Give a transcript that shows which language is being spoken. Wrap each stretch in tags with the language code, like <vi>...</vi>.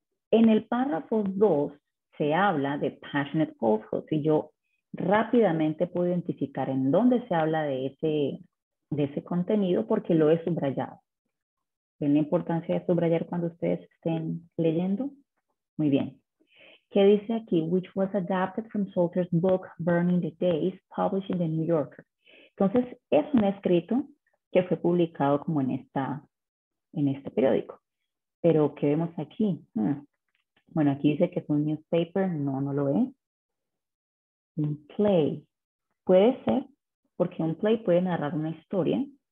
<es>En el párrafo 2 se habla de passionate falsehood y yo rápidamente puedo identificar en dónde se habla de ese contenido porque lo he subrayado. ¿Ven la importancia de subrayar cuando ustedes estén leyendo? Muy bien. ¿Qué dice aquí?</es> <en>Which was adapted from Salter's book Burning the Days, published in the New Yorker.</en> <es>Entonces, es un escrito que fue publicado como en este periódico. Pero, ¿qué vemos aquí? Bueno, aquí dice que es un newspaper. No, no lo es. Un play. Puede ser, porque un play puede narrar una historia.</es>